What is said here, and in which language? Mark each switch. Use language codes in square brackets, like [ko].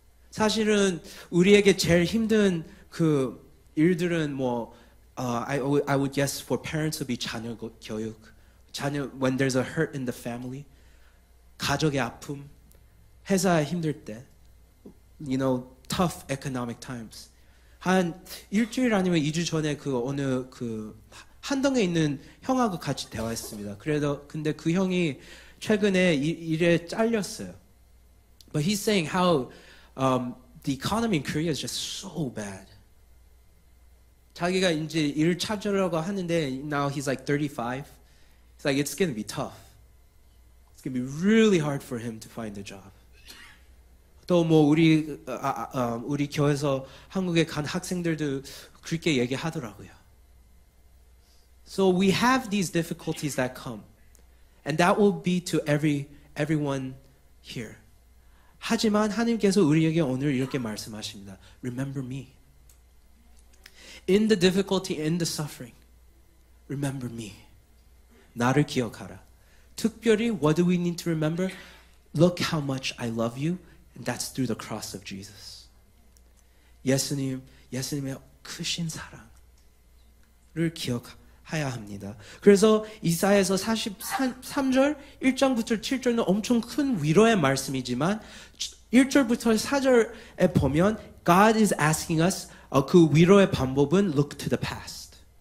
[ko] 사실은 우리에게 제일 힘든 그 일들은 뭐 [en] I would guess for parents would be [ko] 자녀 교육, 자녀 [en] when there's a hurt in the family, [ko] 가족의 아픔, 회사에 힘들 때, [en] you know tough economic times. [ko] 한 일주일 아니면 2주 전에 그 어느 그 한동에 있는 형하고 같이 대화했습니다. 그래도 근데 그 형이 최근에 일에 잘렸어요. [en] But he's saying how the economy in Korea is just so bad. [ko] 자기가 이제 일을 찾으려고 하는데 [en] now he's like 35. He's like it's going to be tough. It's going to be really hard for him to find a job. [ko] 또 뭐 우리 교회에서 한국에 간 학생들도 그렇게 얘기하더라고요. [en] So we have these difficulties that come. And that will be to everyone here. [ko] 하지만 하나님께서 우리에게 오늘 이렇게 말씀하십니다. [en] Remember me. In the difficulty, in the suffering, remember me. [ko] 나를 기억하라. 특별히, [en] what do we need to remember? Look how much I love you, and that's through the cross of Jesus. [ko] 예수님의 크신 사랑을 기억해야 합니다. 그래서 이사야에서 43절, 1장부터 7절은 엄청 큰 위로의 말씀이지만 1절부터 4절에 보면 [en] God is asking us [ko] 그 위로의 방법은 [en] look to the past.